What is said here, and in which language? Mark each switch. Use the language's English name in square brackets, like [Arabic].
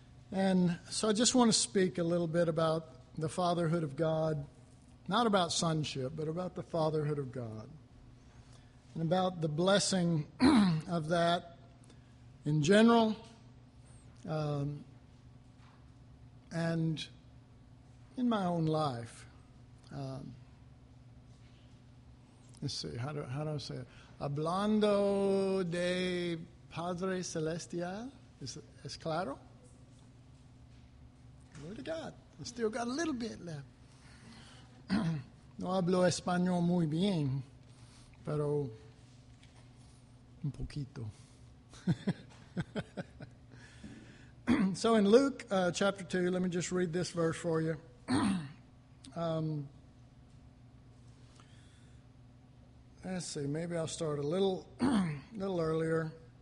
[English] And so I just want to speak a little bit about the fatherhood of God, not about sonship, but about the fatherhood of God, and about the blessing of that in general, and in my own life. Let's see, how do I say it? [Spanish] Hablando de Padre Celestial, ¿es claro? [English] Glory to God. I still got a little bit left. [Spanish] No hablo español muy bien, pero un poquito. [English] So in Luke chapter 2, let me just read this verse for you. Let's see, maybe I'll start a little, little earlier.